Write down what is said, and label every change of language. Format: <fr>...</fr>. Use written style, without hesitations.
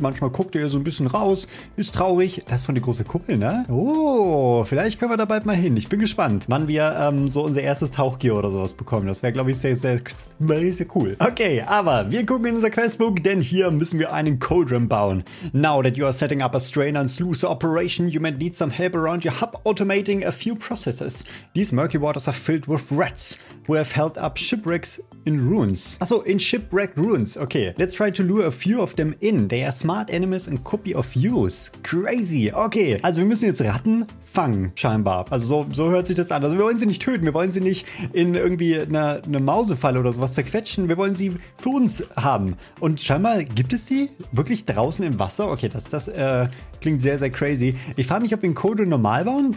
<de>Manchmal guckt er so ein bisschen raus, ist traurig. Das ist von der große Kuppel, ne? Oh, vielleicht können wir da bald mal hin. Ich bin gespannt, wann wir so unser erstes Tauchgear oder sowas bekommen. Das wäre, glaube ich, sehr cool. Okay, aber wir gucken in unser Questbook, denn hier müssen wir einen Cauldron bauen.</de> <en>Now that you are setting up a strainer and sluicer operation, you might need some help around your hub automating a few processes. These murky waters are filled with rats who have held up shipwrecks in ruins. Achso, in shipwrecked ruins. Okay, let's try to lure a few of them in. They are smart animals and could be of use. Crazy.</en> <de>Okay, also wir müssen jetzt Ratten fangen, scheinbar. Also so hört sich das an. Also wir wollen sie nicht töten. Wir wollen sie nicht in irgendwie eine Mausefalle oder sowas zerquetschen. Wir wollen sie für uns haben. Und scheinbar gibt es sie wirklich draußen im Wasser. Okay, das klingt sehr, sehr crazy. Ich frage mich, ob wir einen Cauldron normal bauen.</de>